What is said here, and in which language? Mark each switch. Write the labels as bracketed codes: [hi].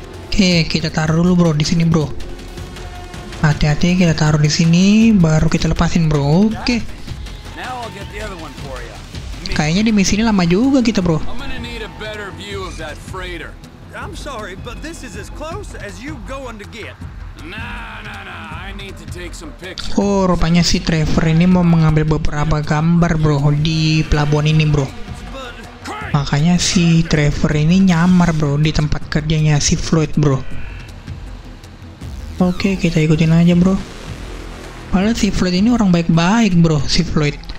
[id] Oke, kita taruh dulu bro di sini bro. Hati-hati kita taruh di sini, baru kita lepasin bro. Oke. Kayaknya di misi ini lama juga kita bro. [en] I'm sorry, but this is as close as you going to get. Nah, I need to take some pictures. [id] Oh, rupanya si Trevor ini mau mengambil beberapa gambar bro di pelabuhan ini bro. Makanya si Trevor ini nyamar bro di tempat kerjanya si Floyd bro. Oke, kita ikutin aja bro. Padahal si Floyd ini orang baik-baik bro, si Floyd.